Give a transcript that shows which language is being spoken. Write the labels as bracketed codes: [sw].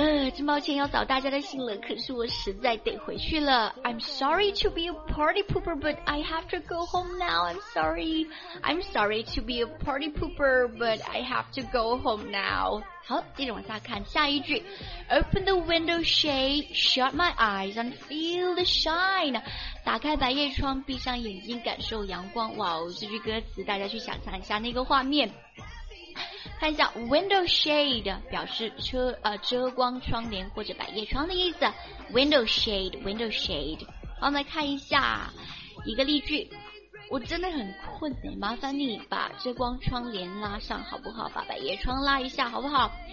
[zh] 真抱歉要扫大家的兴了，可是我实在得回去了。 [en] I'm sorry to be a party pooper, but I have to go home now. I'm sorry to be a party pooper, but I have to go home now. [zh] 好，接着往下看下一句。 [en] Open the window shade, shut my eyes and feel the shine. [zh] 打开百叶窗，闭上眼睛，感受阳光。哇哦，这句歌词大家去想象一下那个画面。看一下 window shade 表示遮光窗帘或者百叶窗的意思。 [en] window shade。 [zh] 好，我们来看一下一个例句。我真的很困，麻烦你把遮光窗帘拉上好不好？把百叶窗拉一下好不好？